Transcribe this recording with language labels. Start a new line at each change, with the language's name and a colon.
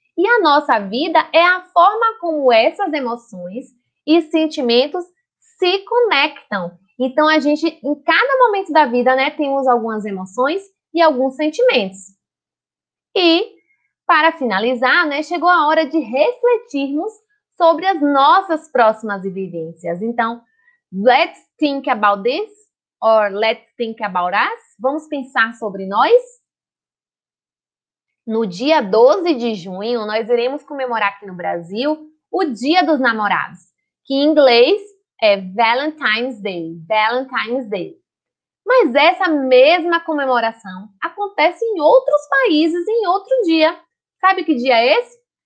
Portuguese: E a nossa vida é a forma como essas emoções e sentimentos se conectam. Então, a gente, em cada momento da vida, né, temos algumas emoções e alguns sentimentos. E, para finalizar, né, chegou a hora de refletirmos sobre as nossas próximas vivências.
English: Então, let's think about this or let's think about us.
Portuguese: Vamos pensar sobre nós? No dia 12 de junho, nós iremos comemorar aqui no Brasil o Dia dos Namorados, que em inglês é Valentine's Day, Valentine's Day. Mas essa mesma comemoração acontece em outros países em outro dia. Sabe que dia é esse?